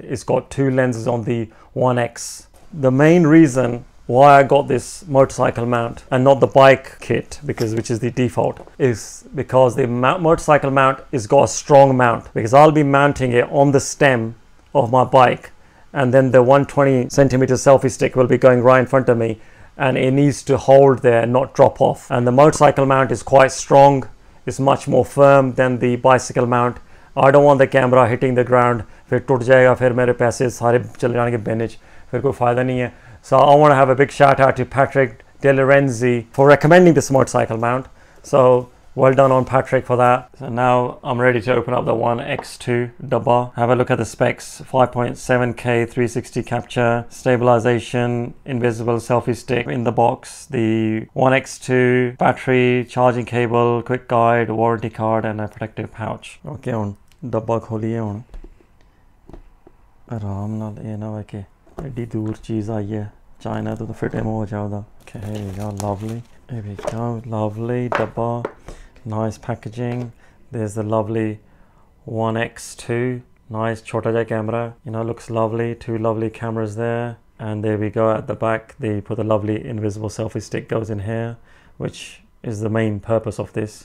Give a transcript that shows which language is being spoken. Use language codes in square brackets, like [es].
[en] It's got two lenses on the ONE X. The main reason why I got this motorcycle mount and not the bike kit, because which is the default, is because the motorcycle mount has got a strong mount, because I'll be mounting it on the stem of my bike. And then the 120 centimeter selfie stick will be going right in front of me, and it needs to hold there and not drop off. And the motorcycle mount is quite strong. It's much more firm than the bicycle mount. I don't want the camera hitting the ground. [hi] फिर टूट जाएगा, फिर मेरे पैसे सारे चले जाएंगे bench, फिर कोई फ़ायदा नहीं है। [en] So I want to have a big shout out to Patrick De Lorenzi for recommending this motorcycle mount. So well done on Patrick for that. So now I'm ready to open up the ONE X2 dabba. Have a look at the specs. 5.7K 360 capture, stabilization, invisible selfie stick in the box, the ONE X2 battery, charging cable, quick guide, warranty card, and a protective pouch. Okay, on [hi] dabba kholiye [en] on. ਰਾਮ ਨਾਲ ਏ ਨਾ ਵੇ ਕੇ ਐਡੀ ਦੂਰ ਚੀਜ਼ ਆਈ ਹੈ। ਚਾਈਨਾ ਤੋਂ ਦ ਫਿੱਟ ਡੈਮੋ ਹੋ ਜਾਊਂਦਾ। Okay, here we go. Lovely. Here we go. Lovely dabba. Nice packaging. There's the lovely ONE X2. Nice [pa] chota ja [en] camera. You know, looks lovely. Two lovely cameras there. And there we go. At the back, they put the lovely invisible selfie stick goes in here, which is the main purpose of this.